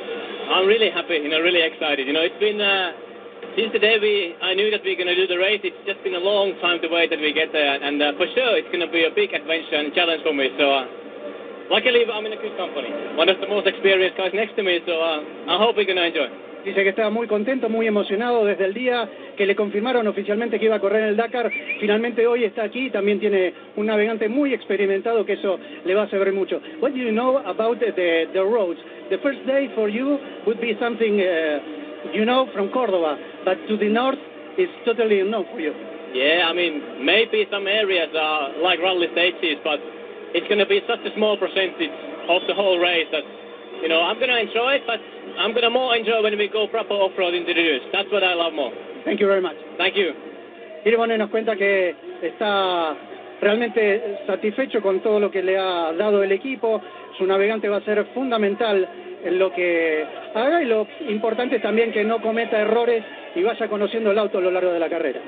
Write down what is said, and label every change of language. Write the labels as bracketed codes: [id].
[en] I'm really happy, you know, really excited. You know, it's been since the day I knew that we were going to do the race, it's just been a long time to wait that we get there. And for sure, it's going to be a big adventure and challenge for me. So, luckily, I'm in a good company. One of the most experienced guys next to me, so I hope we're going to enjoy. [es] Dice que estaba muy contento, muy emocionado desde el día que le confirmaron oficialmente que iba a correr en el Dakar. Finalmente hoy está aquí, también tiene un navegante muy experimentado que eso le va a servir mucho. [en] What do you know about the roads? The first day for you would be something, you know, from Córdoba, but to the north is totally unknown for you. Yeah, I mean, maybe some areas are like rally stages, but it's going to be such a small percentage of the whole race that, you know, I'm going to enjoy it, but I'm going to more enjoy when we go proper off-road into the dunes. That's what I love more. Thank you very much. Thank you. [es] Girona nos cuenta que está realmente satisfecho con todo lo que le ha dado el equipo. Su navegante va a ser fundamental en lo que haga y lo importante es también que no cometa errores y vaya conociendo el auto a lo largo de la carrera.